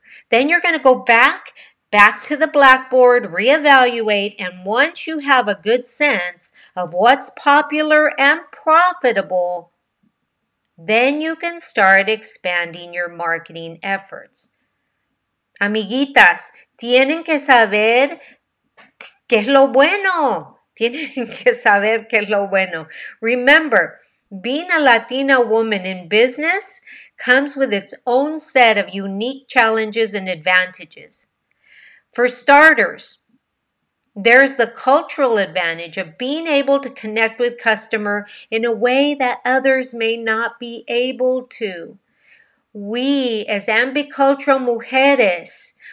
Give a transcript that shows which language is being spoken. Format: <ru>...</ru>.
<en>Then you're going to go back to the blackboard, reevaluate, and once you have a good sense of what's popular and profitable, then you can start expanding your marketing efforts.</en> <es>Amiguitas, tienen que saber qué es lo bueno. Tienen que saber qué es lo bueno.</es> <en>Remember, being a Latina woman in business comes with its own set of unique challenges and advantages. For starters, there's the cultural advantage of being able to connect with customer in a way that others may not be able to. We, as ambicultural mujeres,</en>